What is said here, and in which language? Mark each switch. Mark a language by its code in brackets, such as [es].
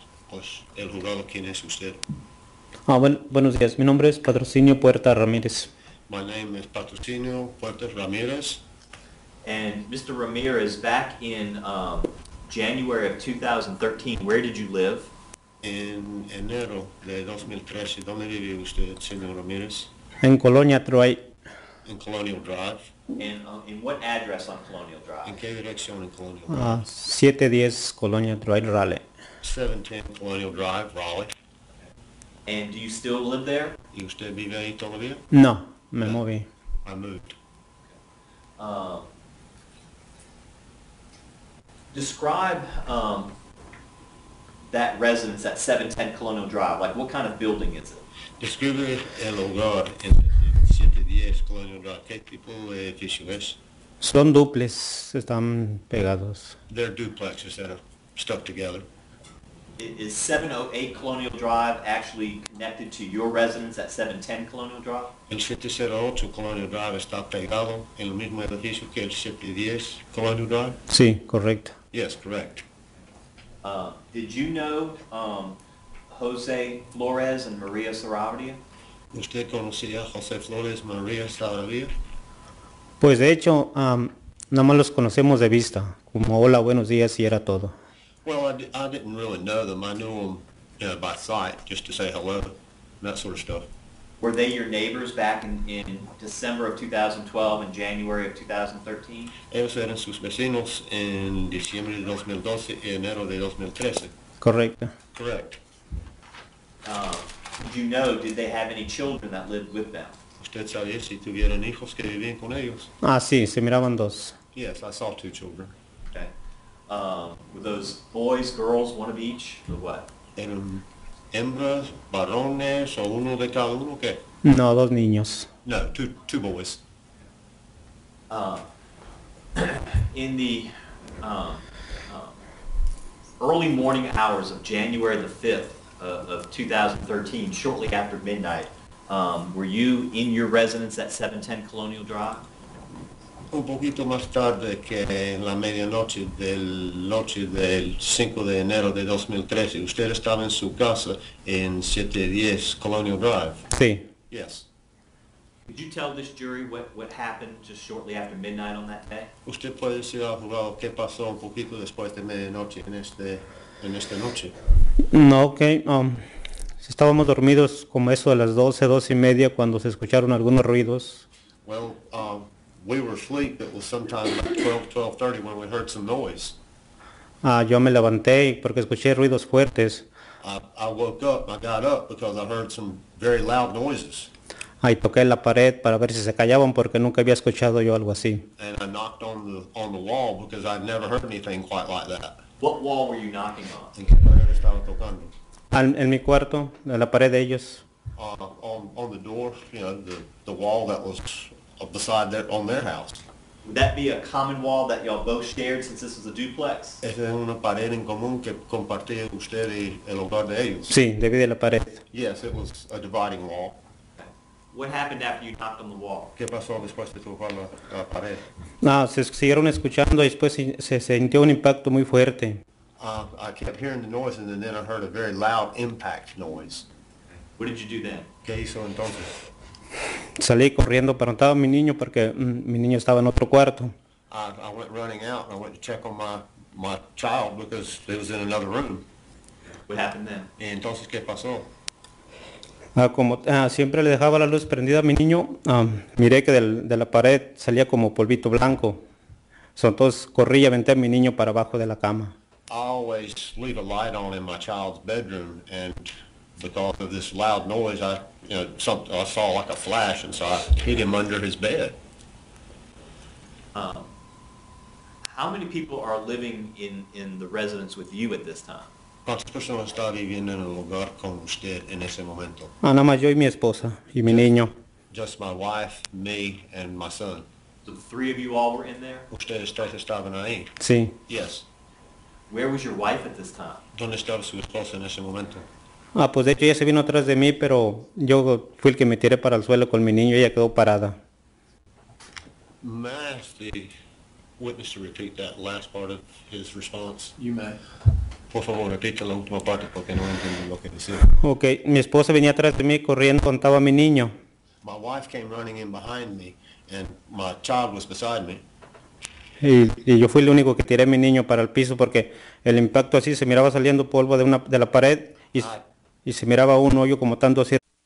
[es] Pues el jurado, ¿quién es usted? Buenos días. Mi nombre es Patrocinio Puerta Ramírez. [en] My name is Patrocinio Puerta Ramírez. And Mr. Ramirez, back in January of 2013, where did you live? [es] En enero de 2013, ¿dónde vive usted, señor Ramírez? En Colonia Drive. En Colonial Drive. [en] And in what address on Colonial Drive? [es] ¿En qué dirección en Colonial Drive? 710 Colonia Drive, Raleigh. [en] 710 Colonial Drive, Raleigh. And do you still live there? [es] ¿Y usted vive ahí todavía? No, me moví. [en] I moved. Describe that residence, that 710 Colonial Drive. Like, what kind of building is it? [es] Describe el hogar en 710 Colonial Drive. ¿Qué tipo de edificio es? Son duples, están pegados. [en] They're duplexes that are stuck together. Is 708 Colonial Drive actually connected to your residence at 710 Colonial Drive? [es] El 708 Colonial Drive está pegado en el mismo edificio que el 710 Colonial Drive? Sí, correcto. [en] Yes, correct. Did you know Jose Flores and Maria Saravia? [es] ¿Usted conocía a Jose Flores y Maria Saravia? Pues de hecho, nada más los conocemos de vista, como hola, buenos días, y era todo. [en] Well, I didn't really know them. I knew them, you know, by sight, just to say hello, that sort of stuff. Were they your neighbors back in December of 2012 and January of 2013? [es] Ellos eran sus vecinos en diciembre de 2012 y enero de 2013. Correcto. [en] Correct. Did you know, did they have any children that lived with them? [es] ¿Usted sabía si tuvieron hijos que vivían con ellos? Ah, sí, se miraban dos. [en] Yes, I saw two children. Okay. Were those boys, girls, one of each, or what? [es] Eran hembras, varones, o uno de cada uno, ¿qué? No, dos niños. [en] No, two boys. In the early morning hours of January the 5th, of 2013, shortly after midnight, were you in your residence at 710 Colonial Drive? [es] Un poquito más tarde que en la medianoche del noche del 5 de enero de 2013. Usted estaba en su casa en 710 Colonial Drive. Sí. [en] Yes. Could you tell this jury what happened just shortly after midnight on that day? [es] Usted puede decir al jurado qué pasó un poquito después de medianoche en esta noche. No, ok. Estábamos dormidos como eso de las 12, 12 y media cuando se escucharon algunos ruidos. [en] Well, we were asleep. It was sometime about 12:30 when we heard some noise. [es] Yo me levanté porque escuché ruidos fuertes. [en] I woke up. I got up because I heard some very loud noises. [es] Y toqué la pared para ver si se callaban porque nunca había escuchado yo algo así. [en] And I knocked on the wall because I'd never heard anything quite like that. What wall were you knocking on? [es] ¿En qué pared estaba tocando? En mi cuarto, en la pared de ellos. [en] On the door, you know, the wall that was beside their, on their house. Would that be a common wall that y'all both shared since this was a duplex? [es] Esa es una pared en común que compartía usted y el hogar de ellos. Sí, divide la pared. [en] Yes, it was a dividing wall. What happened after you knocked on the wall? [es] ¿Qué pasó después de tocar la pared? Se siguieron escuchando y después se sintió un impacto muy fuerte. [en] I kept hearing the noise and then I heard a very loud impact noise. What did you do then? [es] ¿Qué hizo entonces? Salí corriendo para notar a mi niño porque mi niño estaba en otro cuarto. [en] I went running out and I went to check on my child because he was in another room. What happened then? [es] ¿Y entonces qué pasó? Siempre le dejaba la luz prendida a mi niño, miré que de la pared salía como polvito blanco. So, entonces corrí y aventé a mi niño para abajo de la cama. [en] I always leave a light on in my child's bedroom, and because of this loud noise, I saw like a flash, and so I hid him under his bed. How many people are living in the residence with you at this time? [es] ¿Cuántas personas están viviendo en el hogar con usted en ese momento? Nada más yo y mi esposa y mi niño. [en] Just my wife, me, and my son. So the three of you all were in there? [es] ¿Ustedes tres estaban ahí? Sí. [en] Yes. Where was your wife at this time? [es] ¿Dónde estaba su esposa en ese momento? Pues de hecho ella se vino atrás de mí, pero yo fui el que me tiré para el suelo con mi niño y ella quedó parada. [en] May I ask the witness to repeat that last part of his response? You may. [es] Por favor, repite la última parte porque no entiendo lo que decía. Okay, mi esposa venía atrás de mí corriendo, contaba a mi niño. [en] My wife came running in behind me and my child was beside me. [es] Y yo fui el único que tiré a mi niño para el piso porque el impacto así se miraba saliendo polvo de la pared y se miraba un hoyo como tanto así.